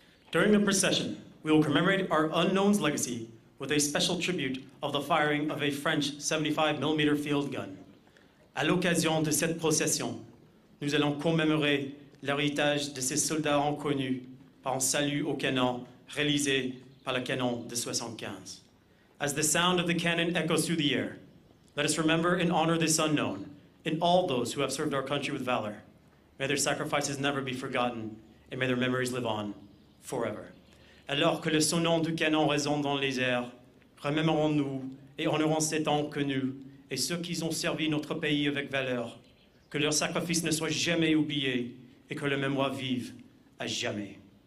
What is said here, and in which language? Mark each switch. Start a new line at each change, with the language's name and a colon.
English: During the procession, we will commemorate our unknown's legacy with a special tribute of the firing of a French 75mm field gun.
French: À l'occasion de cette procession, nous allons commémorer l'héritage de ces soldats inconnus par un salut au canon réalisé par le canon de 75.
English: As the sound of the cannon echoes through the air, let us remember and honor this unknown and all those who have served our country with valor. May their sacrifices never be forgotten and may their memories live on forever.
French: Alors que le sonnant du canon résonne dans les airs, remémorons-nous et honorons ces temps connus et ceux qui ont servi notre pays avec valeur. Que leur sacrifice ne soit jamais oublié et que leur mémoire vive à jamais.